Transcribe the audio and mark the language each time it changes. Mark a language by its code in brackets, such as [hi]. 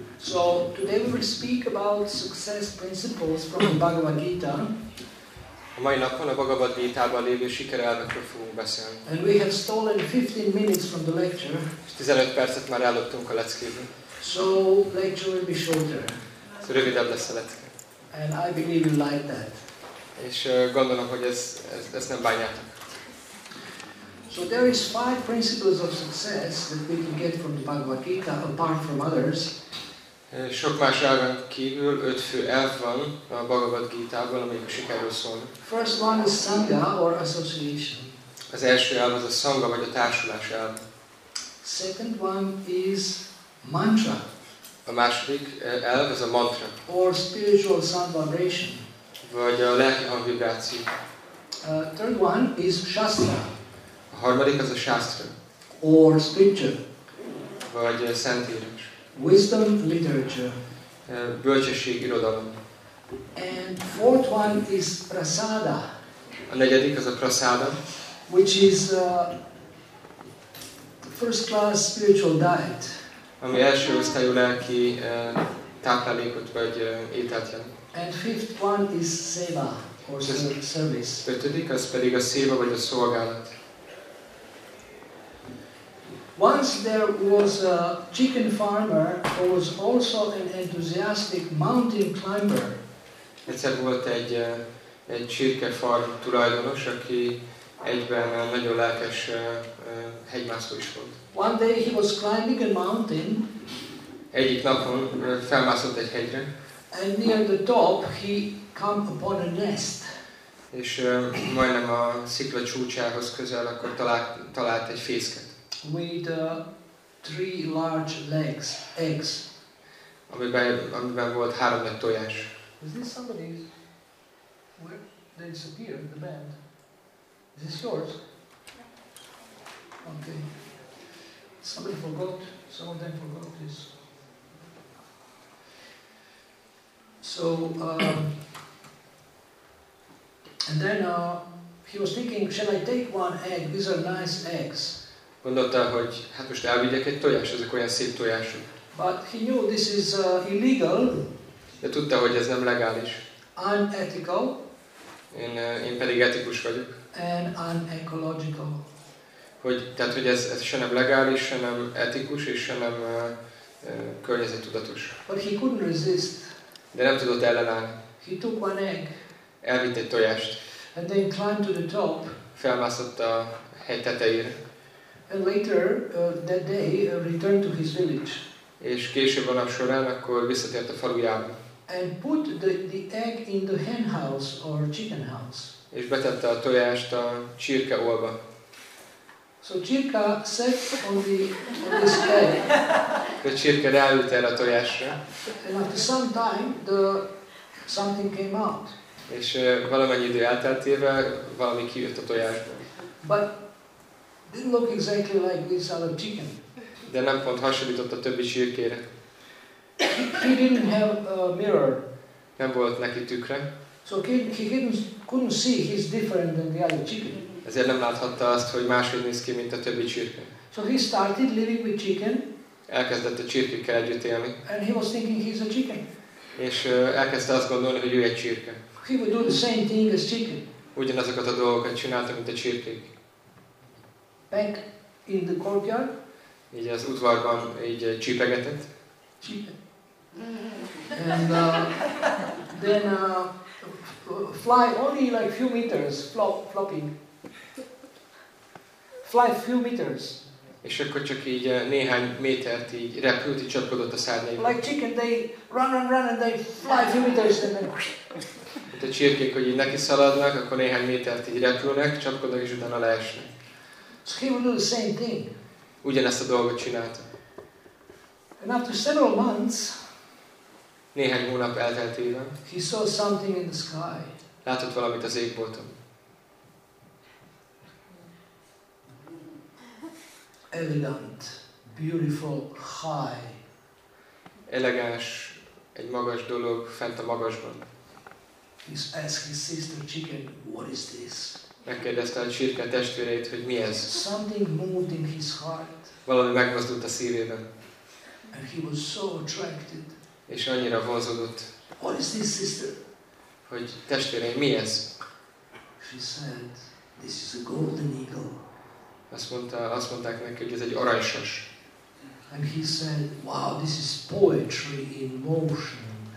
[en] So today we will speak about success principles from the Bhagavad Gita. [hu] A mai napon a Bhagavad Gita-ban lévő sikerelvekről fogunk beszélni. [en] And we have stolen 15 minutes from the lecture. [hu] 15 percet már elloptunk a leckéből. [en] So lecture will be shorter. [hu] Rövidebb lesz a lecke. [en] And I believe you like that. [hu] És gondolom, hogy ez nem bánjátok. [en] So there is five principles of success that we can get from the Bhagavad Gita apart from others. [hu] Sok más elven kívül öt fő elv van a Bhagavad Gita-ban, amelyik a sikerről szól. [en] First one is Sangha or association. [hu] Az első elv az a Sangha vagy a társulás elv. [en] Second one is mantra. [hu] A második elv az a mantra. [en] Or spiritual sound vibration. [hu] Vagy a lelki hangvibráció. [en] Third one is Shastra. [hu] A harmadik az a Shastra. [en] Or scripture. [hu] Vagy szentírás. [en] Wisdom literature. [hu] Bölcsesség irodalom. [en] And fourth one is Prasada. [hu] A negyedik az a Prasada. [en] Which is first class spiritual diet. [hu] Ami első osztályú lelki táplálékot vagy ételt jelent. [en] And fifth one is seva or service. [hu] Ötödik az pedig a seva vagy a szolgálat. [en] Once there was a chicken farmer who was also an enthusiastic mountain climber. [hu] Egyszer volt egy csirkefarm tulajdonos, aki egyben nagyon lelkes hegymászó is volt. [en] One day he was climbing a mountain. [hu] Egyik napon felmászott egy hegyre. [en] And near the top he came upon a nest. [hu] És majdnem a szikla csúcsához közel akkor talált egy fészket. [en] With three large legs, eggs. [hu] Amiben volt három nagy tojás. [en] Is this somebody's? Where they disappeared, the band? Is this yours? Okay. Somebody forgot. Some of them forgot this. So, and then he was thinking, shall I take one egg? These are nice eggs. [hu] Gondolta, hogy hát most elvigyek egy tojás, ezek olyan szép tojások. [en] But he knew this is illegal. [hu] De tudta, hogy ez nem legális. [en] Unethical. [hu] Én pedig etikus vagyok. [en] And unecological. [hu] Tehát, hogy ez se nem legális, se nem etikus, és se nem környezettudatos. [en] But he couldn't resist. [hu] De nem tudott ellenállni. [en] He took one egg. [hu] Elvitt egy tojást. [en] And then climbed to the top. [hu] Felmászott a hegy tetejére. [en] And later that day returned to his village. [hu] És később a nap során akkor visszatért a falujába. [en] And put the egg in the hen house or chicken house. [hu] És betette a tojást a csirke ólba. [en] So csirka sat on this egg. [hu] A csirke ráült erre a tojásra. [en] And after some time something came out. [hu] És valamennyi idő elteltével valami kijött a tojásból. [en] But didn't look exactly like this other chicken. [hu] De nem pont hasonlított a többi csirkére. [en] He didn't have a mirror. [hu] Nem volt neki tükre. [en] So he couldn't see he's different than the other chicken. [hu] Ezért nem láthatta azt, hogy máshogy néz ki, mint a többi csirke. [en] So he started living with chicken. [hu] Elkezdett a csirkékkel együtt élni. [en] And he was thinking he's a chicken. [hu] És elkezdte azt gondolni, hogy ő egy csirke. [en] He would do the same thing as chicken. [hu] Ugyanazokat a dolgokat csinálta, mint a csirkék. [en] Back in the courtyard. [hu] Így az udvarban így csípegetett. [en] And then fly only like few meters, flopping. Fly few meters. [hu] És akkor csak így néhány métert így repült, így csapkodott a szárnyaiban. [en] Like chicken, they run and they fly few meters and then. [hu] Itt a csirkék, hogy így neki szaladnak, akkor néhány métert így repülnek, csapkodnak és utána leesnek. [en] So he would do the same thing. [hu] Ugyanezt a dolgot csinálta. [en] And after several months, [hu] néhány hónap elteltével, [en] he saw something in the sky. [hu] Látott valamit az égbolton. [en] Elegant, beautiful, high. [hu] Elegáns, egy magas dolog fent a magasban. [en] He asked his sister chicken, "What is this?" [hu] Megkérdezte a csirke testvéreit, hogy mi ez. [en] Something moved in his heart. [hu] Valami megmozdult a szívében. [en] And he was so attracted. [hu] És annyira vonzódott. [en] What is this, sister? [hu] Hogy testvéreim, mi ez? [en] She said, "This is a golden eagle." [hu] Azt mondták neki, hogy ez egy aranysas. [en] And he said, "Wow, this is poetry in motion."